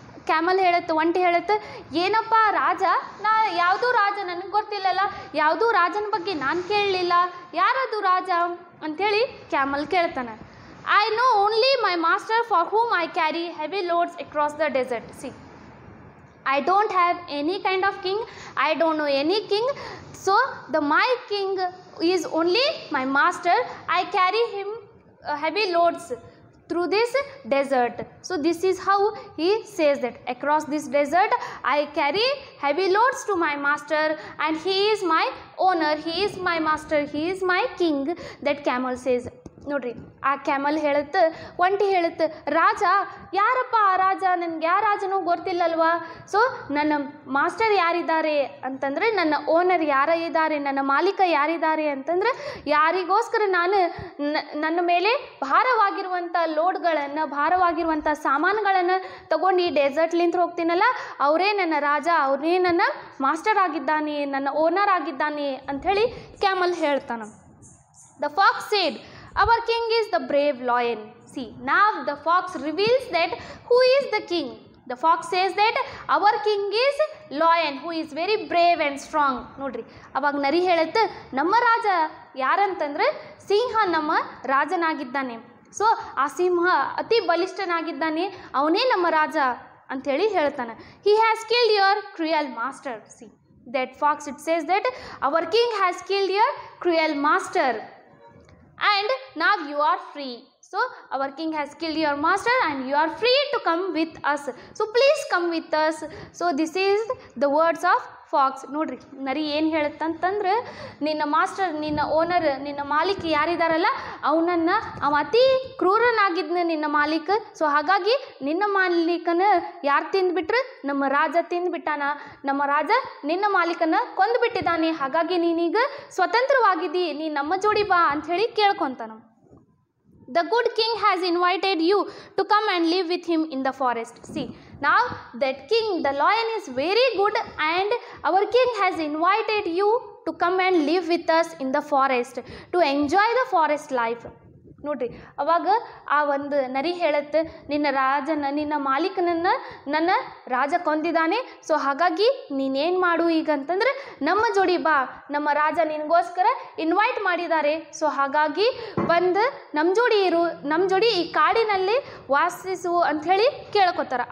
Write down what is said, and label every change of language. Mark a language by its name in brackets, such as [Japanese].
[Kannada] Camel ಹೇಳುತ್ತೆ, ಒಂಟಿ ಹೇಳುತ್ತೆ, ಏನಪ್ಪ ರಾಜ, ನಾ ಯಾವುದೂ ರಾಜ ನನಗೆ ಗೊತ್ತಿಲ್ಲಲ್ಲ, ಯಾವುದೂ ರಾಜನ ಬಗ್ಗೆ ನಾನು ಕೇಳಲಿಲ್ಲ, ಯಾರದು ರಾಜ ಅಂಥೇಳಿ ಕ್ಯಾಮಲ್ ಕೇಳ್ತಾನೆ. [English] I know only my master for whom I carry heavy loads across the desert. See I don't have any kind of king, I don't know any king, so the my king is only my master, I carry him heavy loads through this desert. So this is how he says that, across this desert I carry heavy loads to my master and he is my owner, he is my master, he is my king, that camel says. [Kannada] ನೋಡ್ರಿ, ಆ camel ಹೇಳುತ್ತೆ, ಒಂಟಿ ಹೇಳುತ್ತೆ, ರಾಜ ಯಾರಪ್ಪ ಆ ರಾಜ, ನನಗೆ ಯಾರ ರಾಜನೂ ಗೊತ್ತಿಲ್ಲಲ್ವಾ, so ನನ್ನ ಮಾಸ್ಟರ್ ಯಾರಿದ್ದಾರೆ ಅಂತಂದರೆ, ನನ್ನ ಓನರ್ ಯಾರಿದ್ದಾರೆ, ನನ್ನ ಮಾಲೀಕ ಯಾರಿದ್ದಾರೆ ಅಂತಂದರೆ, ಯಾರಿಗೋಸ್ಕರ ನಾನು ನನ್ನ ಮೇಲೆ ಭಾರವಾಗಿರುವಂಥ ಲೋಡ್ಗಳನ್ನು, ಭಾರವಾಗಿರುವಂಥ ಸಾಮಾನುಗಳನ್ನು ತೊಗೊಂಡು ಈ ಡೆಸರ್ಟ್ಲಿಂತ ಹೋಗ್ತೀನಲ್ಲ, ಅವರೇ ನನ್ನ ರಾಜ, ಅವನೇ ನನ್ನ ಮಾಸ್ಟರ್ ಆಗಿದ್ದಾನೆ, ನನ್ನ ಓನರ್ ಆಗಿದ್ದಾನೆ ಅಂಥೇಳಿ ಕ್ಯಾಮಲ್ ಹೇಳ್ತಾನೆ. [English] The fox said, Our king is the brave lion. See, now the fox reveals that who is the king. The fox says that our king is lion, who is very brave and strong. [Kannada] ನೋಡ್ರಿ, ಅವಾಗ ನರಿ ಹೇಳುತ್ತೆ, ನಮ್ಮ ರಾಜ ಯಾರಂತಂದರೆ ಸಿಂಹ ನಮ್ಮ ರಾಜನಾಗಿದ್ದಾನೆ. So ಆ ಸಿಂಹ ಅತಿ ಬಲಿಷ್ಠನಾಗಿದ್ದಾನೆ, ಅವನೇ ನಮ್ಮ ರಾಜ ಅಂಥೇಳಿ ಹೇಳ್ತಾನೆ. [English] He has killed your cruel master. See that fox it says that our king has killed your cruel master and now you are free. So our king has killed your master and you are free to come with us, so please come with us. So this is the words of fox. [Kannada] ನೋಡ್ರಿ, ನರಿ ಏನು ಹೇಳುತ್ತಂತಂದ್ರೆ, ನಿನ್ನ master, ನಿನ್ನ owner, ನಿನ್ನ ಮಾಲೀಕ ಯಾರಿದ್ದಾರಲ್ಲ, ಅವನನ್ನು ಅವ ಅತಿ ಕ್ರೂರನಾಗಿದ್ದನ ನಿನ್ನ ಮಾಲೀಕ, ಸೊ ಹಾಗಾಗಿ ನಿನ್ನ ಮಾಲೀಕನ ಯಾರು ತಿಂದುಬಿಟ್ರೆ, ನಮ್ಮ ರಾಜ ತಿಂದುಬಿಟ್ಟಾನ, ನಮ್ಮ ರಾಜ ನಿನ್ನ ಮಾಲೀಕನ ಕೊಂದುಬಿಟ್ಟಿದ್ದಾನೆ, ಹಾಗಾಗಿ ನೀನೀಗ ಸ್ವತಂತ್ರವಾಗಿದ್ದಿ, ನೀ ನಮ್ಮ ಜೋಡಿ ಬಾ ಅಂಥೇಳಿ ಕೇಳ್ಕೊತಾನ. [English] The good king has invited you to come and live with him in the forest. See, now that king, the lion, is very good and our king has invited you to come and live with us in the forest, to enjoy the forest life. [Kannada] ನೋಡ್ರಿ, ಅವಾಗ ಆ ಒಂದು ನರಿ ಹೇಳುತ್ತೆ, ನಿನ್ನ ರಾಜನ, ನಿನ್ನ ಮಾಲೀಕನನ್ನು ನನ್ನ ರಾಜ ಕೊಂದಿದ್ದಾನೆ, ಸೊ ಹಾಗಾಗಿ ನೀನೇನು ಮಾಡು ಈಗ ಅಂತಂದರೆ, ನಮ್ಮ ಜೋಡಿ ಬಾ, ನಮ್ಮ ರಾಜ ನಿನಗೋಸ್ಕರ ಇನ್ವೈಟ್ ಮಾಡಿದ್ದಾರೆ, ಸೊ ಹಾಗಾಗಿ ಬಂದು ನಮ್ಮ ಜೋಡಿ ಇರು, ನಮ್ಮ ಜೋಡಿ ಈ ಕಾಡಿನಲ್ಲಿ ವಾಸಿಸು ಅಂಥೇಳಿ ಕೇಳ್ಕೊತಾರೆ.